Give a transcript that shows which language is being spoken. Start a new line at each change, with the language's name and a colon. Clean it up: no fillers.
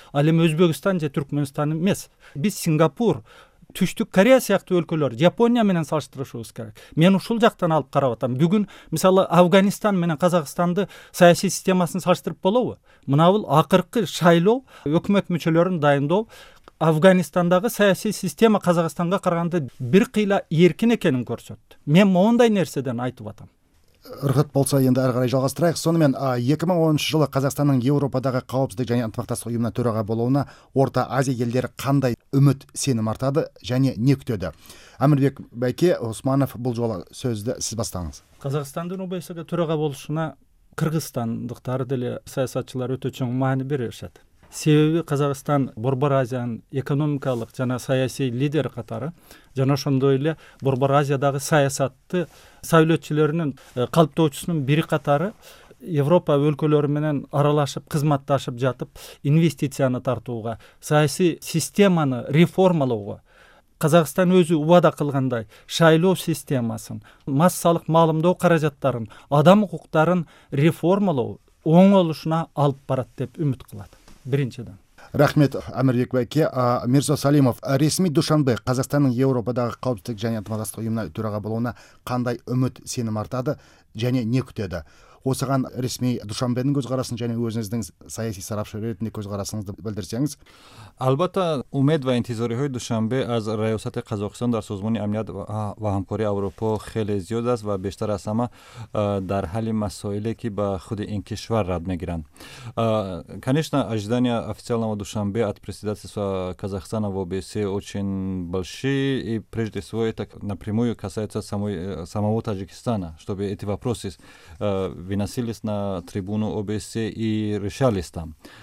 Kyrgyz: Ал эми Өзбекстан же Түркмөнстан эмес. Биз Сингапур, Түштүк Корея сыяктуу өлкөлөр, Япония менен салыштырышыбыз керек. Мен ушул жактан алып карап атам. Бүгүн мисалы Афганистан менен Казакстанды саясий системасын салыштырып болобу? Мына бул акыркы шайлоо, өкмөт мүчөлөрүн дайындоо Афганистандагы саясий система Казакстанга караганда бир кыйла эркин экенин көрсөттү. Мен моундай нерседен айтып атам.
Kazakh: Ырғыт болса енді әрі қарай жалғастырайық. Сонымен 2010 жылы Қазақстанның Еуропадағы қауіпсіздік және ынтымақтастық ұйымына төраға болуына Орта Азия елдері қандай үміт сенім артады және не күтеді? Әмірбек Байке Османов, бұл жолы сөзді сіз бастаңыз.
Kyrgyz: Қазақстанның ОБСЕ-ге төраға болушына қырғызстандықтар деле саясатчылар өте чоң маани беришеді. Себеби Казакстан Борбор Азиянын экономикалык жана саясий лидер катары жана ошондой эле Борбор Азиядагы саясатты сөйлөтчүлөрүнүн калыптоочусунун бири катары Европа өлкөлөрү менен аралашып, кызматташып жатып, инвестицияны тартууга, саясий системаны реформалоого Казакстан өзү убада кылгандай шайлоо системасын, массалык маалымдоо каражаттарын, адам укуктарын реформалоо оңолушуна алып барат деп үмүт кылат. Биринчиден.
Kazakh: Рахмет, Амирбек Байке. Мирзо Салимов, ресми Душанбе Казахстанның Европадағы қауіпсіздік және ынтымақтастық ұйымына төраға болуына қандай үміт сенім артады және не күтеді? Осыған ресми Душанбенің көзқарасын және өзіңіздің саяси сарапшы ретінде көзқарасыңызды білдірсеңіз.
Tajik: Албатта, үміт ва интизори хой Душанбе аз раясати Қазақстан дар созмони амният ва ҳамкори Европа хеле зиёд аст ва бештар аз ҳама дар ҳалли масоиле ки ба худи ин кишвар рад мегиранд.
Russian: Конечно, ожидания официального Душанбе от председательства Казахстана в ОБСЕ очень большие и прежде всего это напрямую касается самого Таджикистана, чтобы эти вопросы выносились на трибуну ОБСЕ и решались там.